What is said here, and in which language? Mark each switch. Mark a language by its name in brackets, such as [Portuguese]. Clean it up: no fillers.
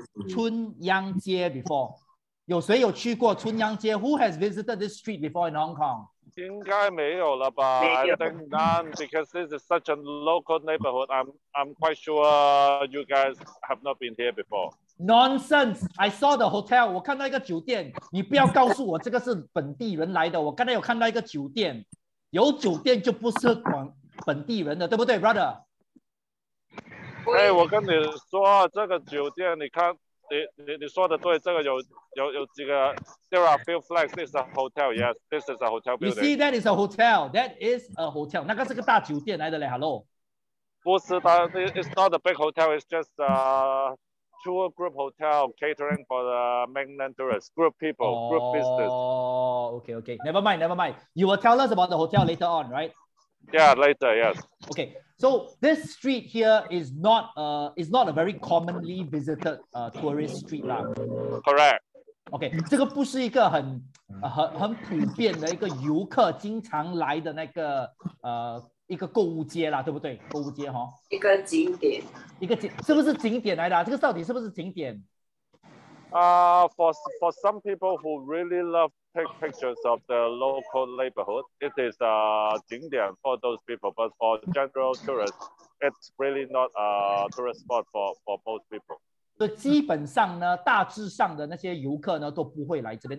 [English] 春陽街 before [Chinese] 有谁有去过春陽街 [English] ？Who has visited this street before in Hong Kong？ [Chinese] 应该没有了吧有 [English] ？I think none because this is such a local neighborhood. I'm quite sure you guys have not been here before. Nonsense! I saw the hotel. [Chinese] 我看到一个酒店。你不要告诉我这个是本地人来的。我刚才有看到一个酒店，有酒店就不是本地人的，对不对 ，brother？哎、hey, ，我跟你说，这个酒店，你看，你说的对，这个有几个 ， [English] there are few flags. This is a hotel. Yes, this is a hotel building. You see, that is a hotel. That is a hotel. [Chinese] 那个是个大酒店来的嘞。 [English] Hello. [Chinese] 不是的 [English] ，it's not a big hotel. It's just a tour group hotel catering for the mainland tourists, group people, group business. Oh, okay, okay. Never mind. You will tell us about the hotel later on, right? Yeah, later. Yes. Okay. So this street here is not a very commonly visited tourist street lah. Correct. [Chinese] Okay, 这个不是一个很普遍的一个游客经常来的那个一个购物街啦，对不对？购物街哈。一个景点。一个景是不是景点来的、啊？这个到底是不是景点？ [English] For some people who really love take pictures of the local neighborhood, it is a 景点 for those people. But for general tourists, it's really not a tourist spot for most people. [Chinese] 所以基本上呢，大致上的那些游客呢都不会来这边。